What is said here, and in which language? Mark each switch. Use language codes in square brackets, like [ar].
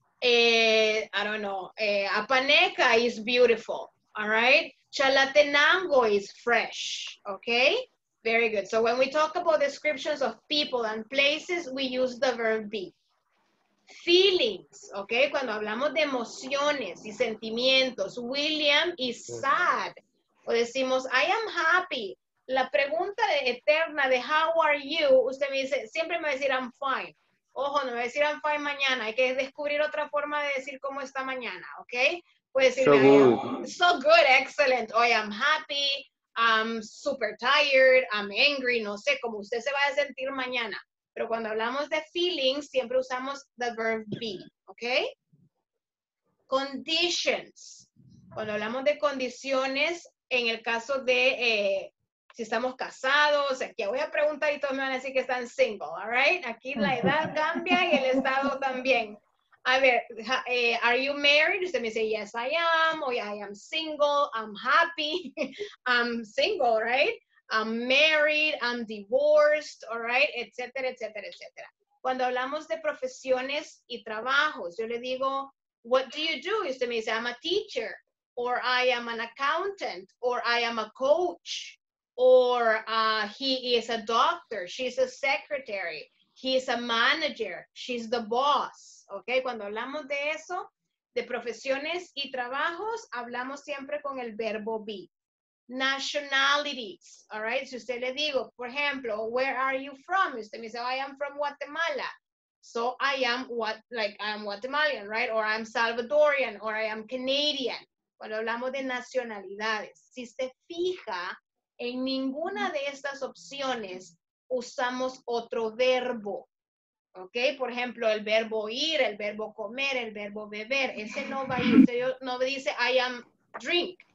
[en] I don't know, Apaneca is beautiful, all right? Chalatenango is fresh, ¿ok? Very good. So when we talk about descriptions of people and places, we use the verb be. Feelings, ¿ok? [es] Cuando hablamos de emociones y sentimientos, [en] William is sad. [es] O decimos, [en] I am happy. [es] La pregunta eterna de [en] how are you, [es] usted me dice, siempre me va a decir [en] I'm fine. [es] Ojo, no me va a decir [en] I'm fine [es] mañana. Hay que descubrir otra forma de decir cómo está mañana, ¿ok? Puede decir, [en] so good. So good, excellent. Oh, I am happy. I'm super tired. I'm angry. [es] No sé cómo usted se va a sentir mañana. Pero cuando hablamos de feelings, siempre usamos [en] the verb be, [es] ¿ok? Conditions. Cuando hablamos de condiciones, en el caso de si estamos casados, aquí voy a preguntar y todos me van a decir que están single, [en] ¿all right? [es] Aquí la edad cambia y el estado también. A ver, [en] are you married? [es] Usted me dice, [en] yes, I am. O yeah, I am single, I'm happy, I'm single, right? I'm married, I'm divorced, all right, etc., etc., etc. [es] Cuando hablamos de profesiones y trabajos, yo le digo, [en] what do you do? [es] Usted me dice, [en] I'm a teacher, or I am an accountant, or I am a coach, or he is a doctor, she's a secretary, he is a manager, she's the boss. [es] Okay, cuando hablamos de eso, de profesiones y trabajos, hablamos siempre con el verbo be. [en] Nationalities, all right? [es] Si usted le digo, por ejemplo, [en] where are you from? [es] Usted me dice, [en] oh, I am from Guatemala. So I am what, like, I am Guatemalan, right? Or I'm Salvadorian, or I am Canadian. [es] Cuando hablamos de nacionalidades, si se fija, en ninguna de estas opciones usamos otro verbo, ¿ok? Por ejemplo, el verbo ir, el verbo comer, el verbo beber. Ese no va a ir, usted no dice, [en] I am drink.